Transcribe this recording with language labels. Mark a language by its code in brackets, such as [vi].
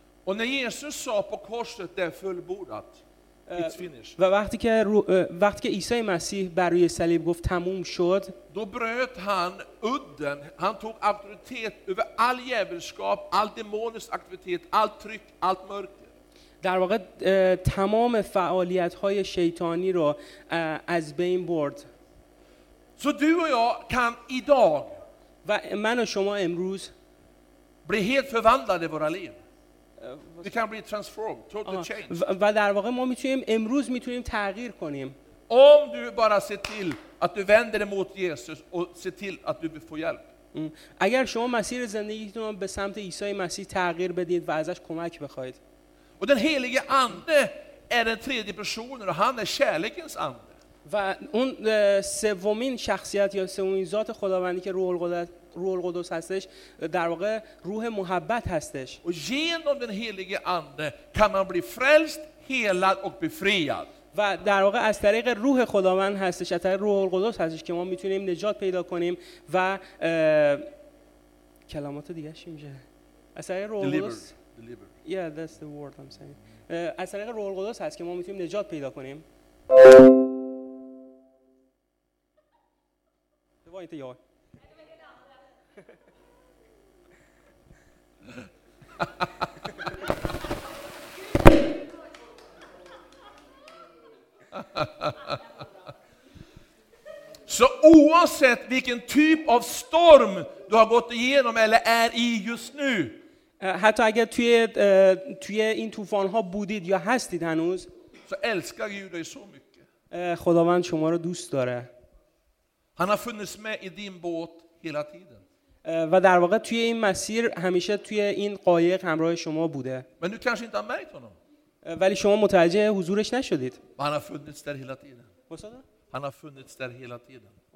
[sv] Och när Jesus sa på korset det är fullbordat. [en] It's finished. [fa] و وقتی که وقتی که عیسی مسیح بر روی صلیب گفت تموم شد. [sv] Då bröt han udden. Han tog auktoritet över all djävulskap, all demonisk aktivitet, all tryck, allt mörker. [fa] در واقع تمام فعالیت‌های شیطانی رو از بین برد. [sv] Så du och jag kan idag. [fa] و من و شما امروز [sv] bli helt förvandlade i våra liv. [en] We can be transformed, totally changed. [fa] و در واقع ما میتونیم امروز میتونیم تغییر کنیم. [sv] Om du bara ser till att du vänder dig mot Jesus och ser till att du får hjälp. [fa] اگر شما مسیر زندگیتون رو به سمت عیسی مسیح تغییر بدید و ازش کمک بخواید. [sv] Och den helige ande är den tredje personen och han är kärlekens ande. [fa] و اون سومین شخصیت یا سومین ذات خداوندی که روح القدس هستش در واقع روح محبت هستش. [sv] و genom den helige ande kan man bli frälst, helad och befriad. [fa] و در واقع از طریق روح خداوند هستش، از طریق روح القدس هستش که ما میتونیم نجات پیدا کنیم و کلمات دیگه اش اینجا. از طریق روح القدس. [en] Yeah, that's the word I'm saying. [fa] از طریق روح القدس هست که ما میتونیم نجات پیدا کنیم. [sv] Det var inte jag. Så oavsett vilken typ av storm du har gått igenom eller är i just nu. [fa] Hata agar tu in tufan ha budid ya hastid hanuz. [sv] Så älskar Gud dig så mycket. [fa] Khodavand shoma ro dost dare. [sv] Han har funnits med i din båt hela tiden. [fa] و در واقع توی این مسیر همیشه توی این قایق همراه شما بوده. من تو کاش اینطور نمی‌تونم. ولی شما متوجه حضورش نشدید. [sv] Han har funnits där hela tiden. Vad sa du? Han har funnits där hela tiden.